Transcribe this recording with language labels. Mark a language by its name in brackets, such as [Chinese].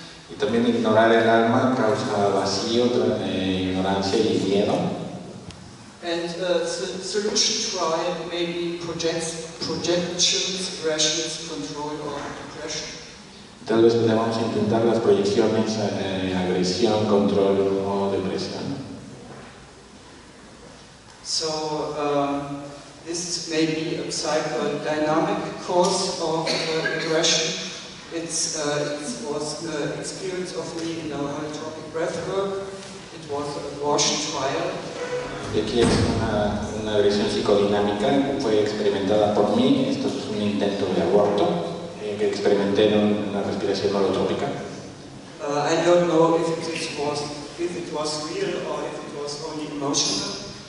[Spanish] Y también ignorar el alma causa vacío, ignorancia y miedo. [English] And solution try maybe projections, aggressions, control or depression. [Spanish] Tal vez debamos intentar las proyecciones, agresión, control o depresión. [English] So this may be a psychodynamic cause of aggression. It was the experience of me in our holotropic breathwork. It was a abortion trial. [Spanish] Aquí es una agresión psicodinámica fue experimentada por mí. Esto es un intento de aborto que experimenté en una respiración holotrópica. [English] I don't know if it was real or if it was only emotional.